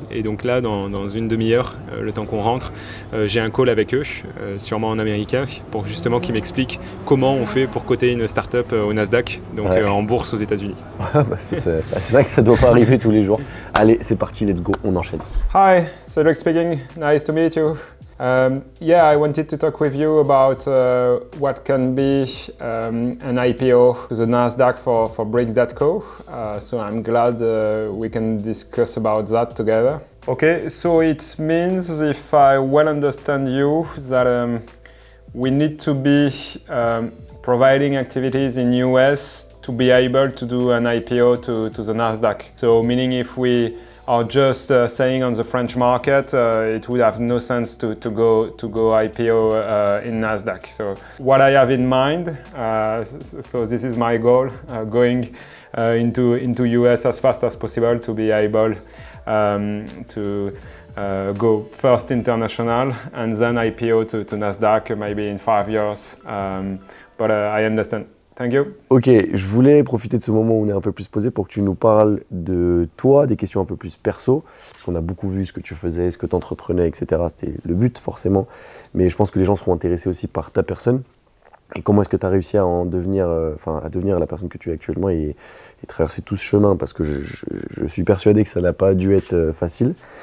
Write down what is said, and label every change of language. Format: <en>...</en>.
<fr>Et donc là, dans une demi-heure, le temps qu'on rentre, j'ai un call avec eux, sûrement en américain, pour justement qu'ils m'expliquent comment on fait pour coter une start-up au Nasdaq, donc en bourse aux États-Unis. c'est vrai que ça ne doit pas arriver tous les jours. Allez, c'est parti,</fr> <en>let's go,</en> <fr>on enchaîne.</fr> <en>Hi, Cedric speaking, nice to meet you. Yeah, I wanted to talk with you about what can be an IPO to the Nasdaq for Brix.co. So I'm glad we can discuss about that together. Okay, so it means, if I well understand you, that we need to be providing activities in US to be able to do an IPO to the Nasdaq. So meaning if we are just saying on the French market, it would have no sense to go IPO in Nasdaq. So what I have in mind, so this is my goal, going into US as fast as possible to be able to go first international and then IPO to Nasdaq, maybe in 5 years. But I understand. Thank you.</en> <fr>Ok, je voulais profiter de ce moment où on est un peu plus posé pour que tu nous parles de toi, des questions un peu plus perso. On a beaucoup vu ce que tu faisais, ce que tu entreprenais, etc. C'était le but forcément. Mais je pense que les gens seront intéressés aussi par ta personne. Et comment est-ce que tu as réussi à devenir la personne que tu es actuellement et traverser tout ce chemin, parce que je suis persuadé que ça n'a pas dû être facile.</fr>